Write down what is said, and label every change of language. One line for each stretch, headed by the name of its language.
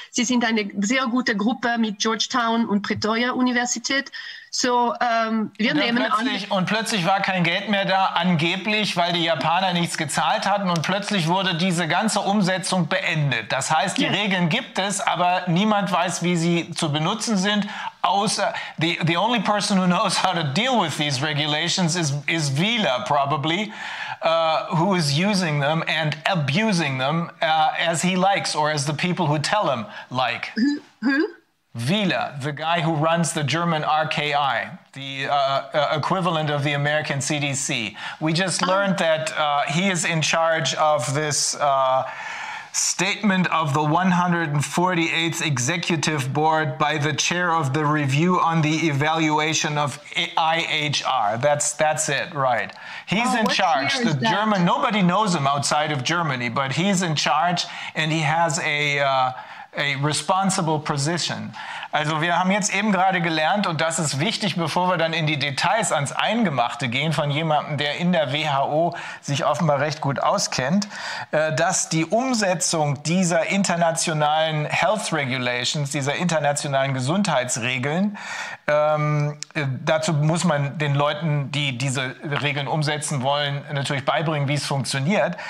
German: Sie sind eine sehr gute Gruppe mit Georgetown und Pretoria Universität. So, wir nehmen an. Und plötzlich war kein Geld mehr da, angeblich, weil die Japaner nichts gezahlt hatten. Und plötzlich wurde diese ganze Umsetzung beendet. Das heißt, die Regeln gibt es, aber niemand weiß, wie sie zu benutzen sind.
English: Außer, the only person who knows how to deal with these regulations is Wieler, probably. Who is using them and abusing them as he likes or as the people who tell him like. Who? Wieler, the guy who runs the German RKI, the equivalent of the American CDC. We just learned that he is in charge of this statement of the 148th Executive Board by the chair of the review on the evaluation of IHR. That's it, right. He's in charge. The German, nobody knows him outside of Germany, but he's in charge and he has a responsible position.
German: Also wir haben jetzt eben gerade gelernt, und das ist wichtig, bevor wir dann in die Details ans Eingemachte gehen von jemandem, der in der WHO sich offenbar recht gut auskennt, dass die Umsetzung dieser internationalen Health Regulations, dieser internationalen Gesundheitsregeln, dazu muss man den Leuten, die diese Regeln umsetzen wollen, natürlich beibringen, wie es funktioniert.